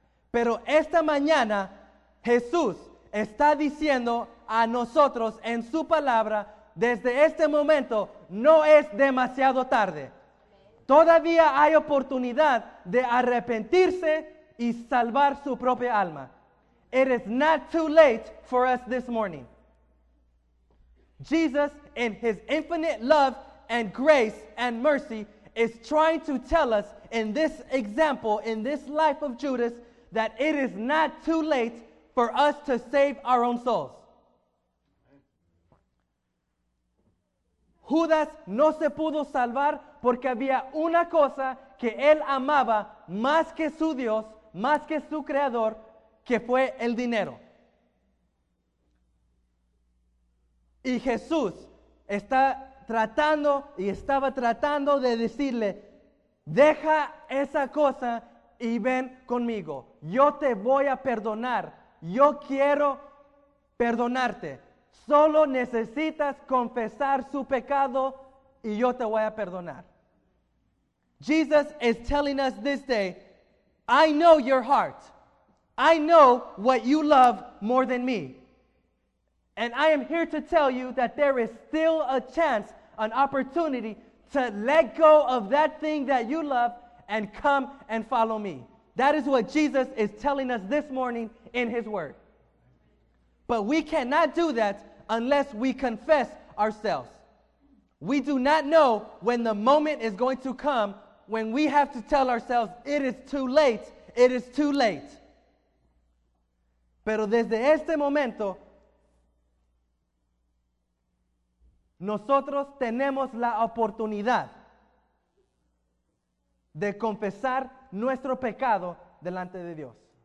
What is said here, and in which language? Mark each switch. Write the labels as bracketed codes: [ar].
[es] Pero esta mañana Jesús está diciendo a nosotros en su palabra, desde este momento no es demasiado tarde. Todavía hay oportunidad de arrepentirse y salvar su propia alma. [en] It is not too late for us this morning. Jesus, in his infinite love and grace and mercy, is trying to tell us in this example, in this life of Judas, that it is not too late for us to save our own souls. [es] Judas no se pudo salvar porque había una cosa que él amaba más que su Dios, más que su Creador, que fue el dinero. Y Jesús está tratando y estaba tratando de decirle, deja esa cosa y ven conmigo. Yo te voy a perdonar. Yo quiero perdonarte. Solo necesitas confesar su pecado y yo te voy a perdonar. [en] Jesus is telling us this day, I know your heart. I know what you love more than me. And I am here to tell you that there is still a chance, an opportunity to let go of that thing that you love and come and follow me. That is what Jesus is telling us this morning in his word. But we cannot do that unless we confess ourselves. We do not know when the moment is going to come when we have to tell ourselves, it is too late, it is too late. [es] Pero desde este momento, nosotros tenemos la oportunidad de confesar nuestro pecado delante de Dios.